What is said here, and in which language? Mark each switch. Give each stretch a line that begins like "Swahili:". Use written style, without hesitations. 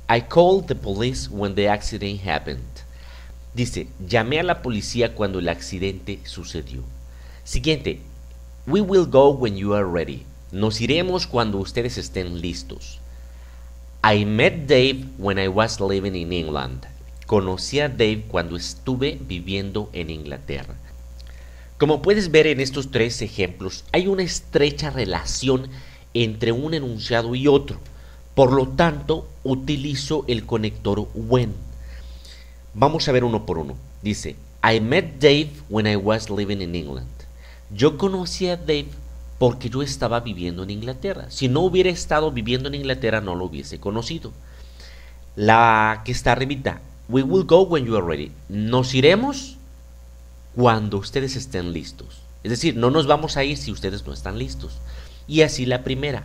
English: I called the police when the accident happened.
Spanish: Dice, llamé a la policía cuando el accidente sucedió. Siguiente.
English: We will go when you are ready.
Spanish: Nos iremos cuando ustedes estén listos.
English: I met Dave when I was living in England.
Spanish: Conocí a Dave cuando estuve viviendo en Inglaterra. Como puedes ver en estos tres ejemplos, hay una estrecha relación entre un enunciado y otro. Por lo tanto, utilizo el conector when. Vamos a ver uno por uno.
English: Dice, I met Dave when I was living in England.
Spanish: Yo conocí a Dave porque yo estaba viviendo en Inglaterra. Si no hubiera estado viviendo en Inglaterra, no lo hubiese conocido. La que está arribita.
English: We will go when you are ready.
Spanish: Nos iremos cuando ustedes estén listos. Es decir, no nos vamos a ir si ustedes no están listos. Y así la primera.